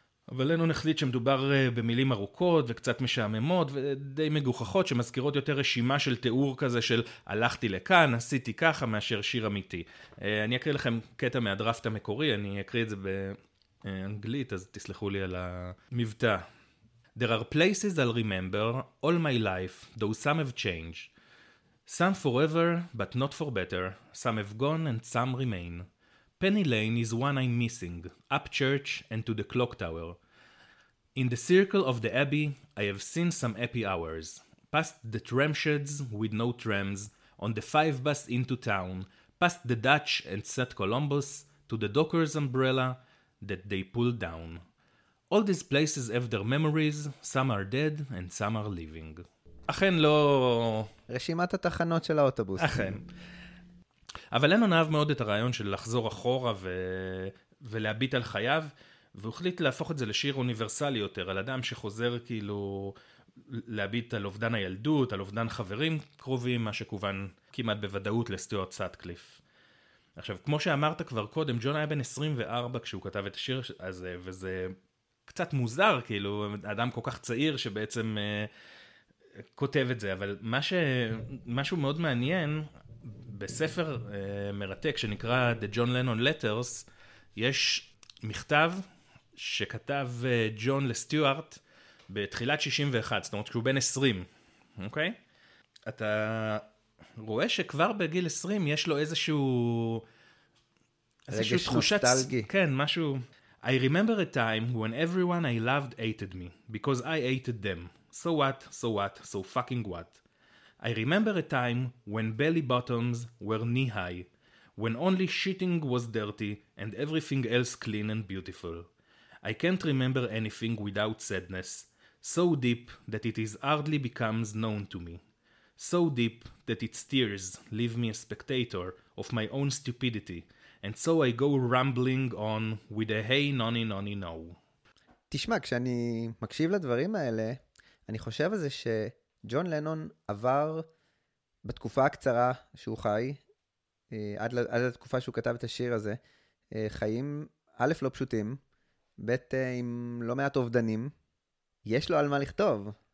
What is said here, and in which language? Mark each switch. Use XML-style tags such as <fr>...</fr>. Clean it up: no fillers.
<he>אבל לנון החליט שמדובר במילים ארוכות וקצת משעממות ודי מגוחכות שמזכירות יותר רשימה של תיאור כזה של הלכתי לכאן, עשיתי ככה מאשר שיר אמיתי. אני אקריא לכם קטע מהדרפט המקורי, אני אקריא את זה באנגלית, אז תסלחו לי על המבטא.</he> <en>There are places I'll remember all my life, though some have changed. Some forever, but not for better. Some have gone and some remain. Penny Lane is one I'm missing. Up church and to the clock tower. In the circle of the abbey, I have seen some happy hours. Past the tram sheds with no trams, on the 5 bus into town, past the Dutch and St. Columbus, to the Dockers umbrella that they pulled down. All these places have their memories, some are dead and some are living.</en> <he>אכן לא... רשימת התחנות של האוטובוס. אכן. אבל לנו נאהב מאוד את הרעיון של לחזור אחורה ו... ולהביט על חייו, והוא החליט להפוך את זה לשיר אוניברסלי יותר, על אדם שחוזר כאילו להביט על אובדן הילדות, על אובדן חברים קרובים, מה שכוון כמעט בוודאות לסטיוארט סאטקליף. עכשיו, כמו שאמרת כבר קודם, ג'ון היה בן 24 כשהוא כתב את השיר הזה, וזה קצת מוזר, כאילו, אדם כל כך צעיר שבעצם כותב את זה, אבל מה ש... משהו מאוד מעניין, בספר מרתק שנקרא The John Lennon Letters, יש מכתב שכתב ג'ון לסטיוארט בתחילת 61, זאת אומרת שהוא בן 20, אוקיי? אתה רואה שכבר בגיל 20 יש לו איזשהו... רגש נוסטלגי. כן, משהו...</he> <en>I remember a time when everyone I loved hated me, because I hated them. So what, so what, so fucking what. I remember a time when belly bottoms were knee high, when only shitting was dirty and everything else clean and beautiful. I can't remember anything without sadness, so deep that it is hardly becomes known to me. So deep that its tears leave me a spectator of my own stupidity, and so I go rambling on with a hey noni noni no.</en> <he>תשמע, כשאני מקשיב לדברים האלה, אני חושב על זה שג'ון לנון עבר בתקופה הקצרה שהוא חי, עד לתקופה שהוא כתב את השיר הזה, חיים א' לא פשוטים, בית עם לא מעט אובדנים, יש לו על מה לכתוב.</he>